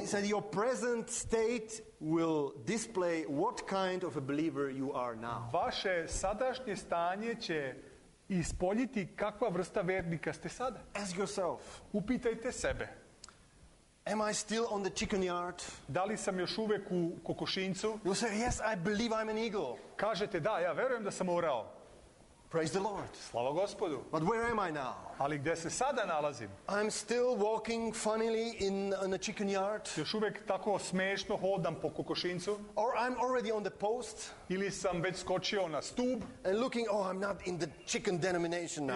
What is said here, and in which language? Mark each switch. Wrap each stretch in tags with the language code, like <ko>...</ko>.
<en>He said your present state will display what kind of a believer you are now.</en> <sr>Vaše sadašnje stanje će ispoljiti kakva vrsta vernika ste sada.</sr> <en>Ask yourself.</en> <sr>Upitajte sebe.</sr> <en>Am I still on the chicken yard?</en> <sr>Da li sam još uvek u kokošinjcu?</sr> <en>You say, yes, I believe I'm an eagle.</en> <sr>Kažete, da, ja verujem da sam orao.</sr> <en>Praise the Lord.</en> <sr>Slava Gospodu.</sr> <en>But where am I now?</en> <sr>Ali gde se sada nalazim?</sr> <en>I'm still walking funnily in a chicken yard.</en> <sr>Još uvek tako smešno hodam po kokošinjcu.</sr> <en>Or I'm already on the post.</en> <sr>Ili sam već skočio na stub.</sr> <en>And looking, oh, I'm not in the chicken denomination now.</en>